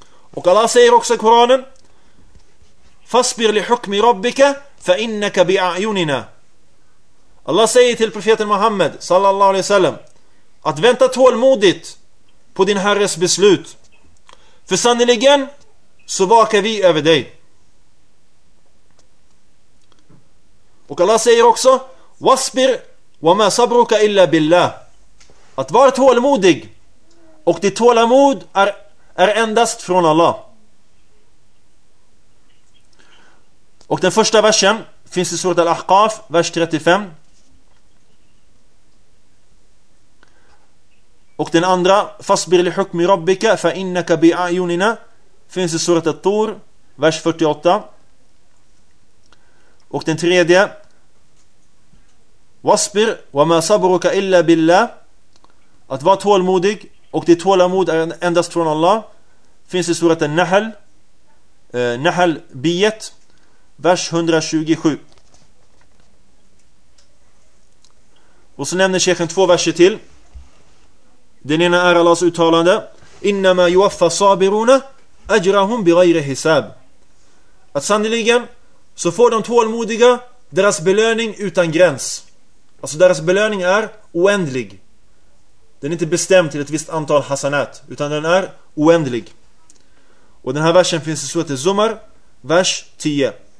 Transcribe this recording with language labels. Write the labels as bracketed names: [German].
[Swedish] Och Allah säger också i Koranen: [Arabic] فَصْبِرْ لِحُكْمِ رَبِّكَ فَإِنَّكَ بِأَعْيُنِنَا. [Swedish] Allah säger till profeten Muhammad sallallahu alaihi wasallam att vänta tålmodigt på din herres beslut, för sannoliken så vakar vi över dig. Och Allah säger också: [Arabic] وَصْبِرْ وَمَا صَبْرُكَ إِلَّا بِاللَّهِ. [Swedish] Att vara tålmodig, och ditt tålamod är endast från Allah. Och den första versen finns i surat Al-Ahqaf, vers 35. Och den andra: [Arabic] فَصْبِرْ لِحُكْمِ رَبِّكَ فَإِنَّكَ بِأَعْيُنِنَا, [Swedish] finns i surat Al-Tur, vers 48. Och den tredje: [Arabic] وَصْبِرْ وَمَا صَبْرُكَ إِلَّا بِاللَّهِ. [Swedish] Att vara tålmodig, och ditt tålamod är endast från Allah, finns i surat Al-Nahl, Nahl biet, vers 127. Och så nämner Sheikhen två verser till. Den ena är Allahs uttalande: [Arabic] إِنَّمَا يُوَفَّ صَابِرُونَ أَجْرَهُمْ بِغَيْرِ حِسَابٍ. [Swedish] Att sannoliken så får de tålmodiga deras belöning utan gräns. Alltså deras belöning är oändlig. Den är inte bestämd till ett visst antal hasanat, utan den är oändlig. Och den här versen finns i surat Zumar, vers 10.